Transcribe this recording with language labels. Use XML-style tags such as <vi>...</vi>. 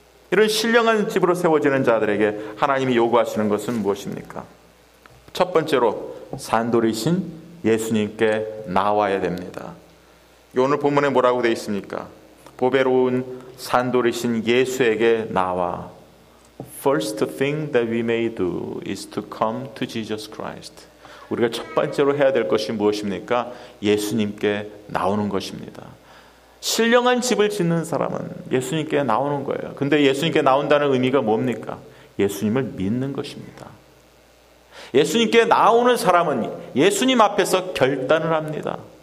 <ko>이런 신령한 집으로 세워지는 자들에게 하나님이 요구하시는 것은 무엇입니까? 첫 번째로 산돌이신 예수님께 나와야 됩니다. 오늘 본문에 뭐라고 되어 있습니까? 보배로운 산돌이신 예수에게 나와.</ko> <en>First thing that we may do is to come to Jesus Christ.</en> <ko>우리가 첫 번째로 해야 될 것이 무엇입니까? 예수님께 나오는 것입니다. 신령한 집을 짓는 사람은 예수님께 나오는 거예요. 근데 예수님께 나온다는 의미가 뭡니까? 예수님을 믿는 것입니다. 예수님께 나오는 사람은 예수님 앞에서 결단을 합니다.</ko>